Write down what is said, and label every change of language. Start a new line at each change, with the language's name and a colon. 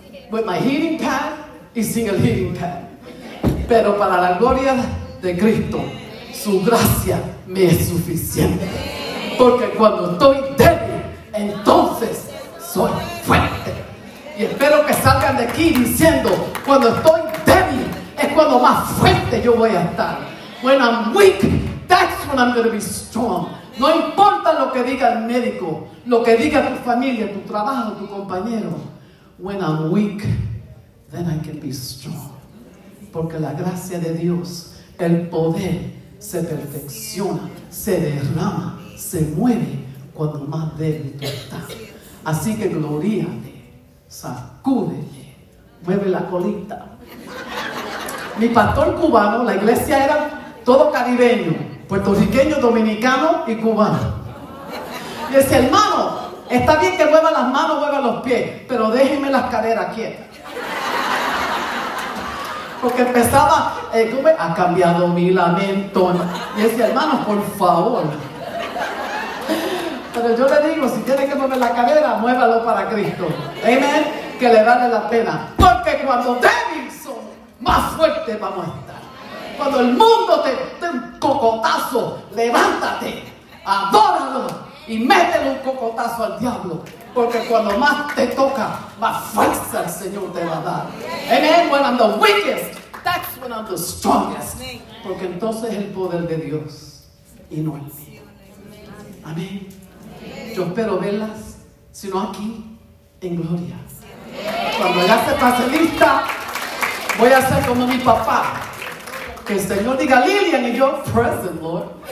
English: With my healing pad
Spanish: y sin el healing pad. Pero para la gloria de Cristo, su gracia me es suficiente. Porque cuando estoy débil, entonces soy fuerte. Y espero que salgan de aquí diciendo, cuando estoy débil, es cuando más fuerte yo voy a estar.
English: When I'm weak, that's when I'm going to be strong.
Spanish: No importa lo que diga el médico, lo que diga tu familia, tu trabajo, tu compañero.
English: When I'm weak, then I can be strong.
Spanish: Porque la gracia de Dios, el poder, se perfecciona, se derrama, se mueve cuando más débil tú estás. Así que gloríate. Sacúdele, mueve la colita. Mi pastor cubano, la iglesia era todo caribeño, puertorriqueño, dominicano y cubano. Y dice, hermano, está bien que mueva las manos, mueva los pies, pero déjeme las caderas quietas. Porque empezaba, ha cambiado mi lamento. Y dice, hermano, por favor. Pero yo le digo, si tiene que mover la cadera, muévalo para Cristo. Amén. Que le vale la pena. Porque cuando débil somos, más fuerte vamos a estar. Cuando el mundo te dé un cocotazo, levántate, adóralo y métele un cocotazo al diablo. Porque cuando más te toca, más fuerza el Señor te va a dar. Amén.
English: When I'm the weakest, that's when I'm the strongest.
Spanish: Porque entonces es el poder de Dios y no el mío. Amén. Yo espero verlas, sino aquí, en gloria. Cuando ya se pase lista, voy a ser como mi papá. Que el Señor diga, Lilian, y yo,
English: present, Lord.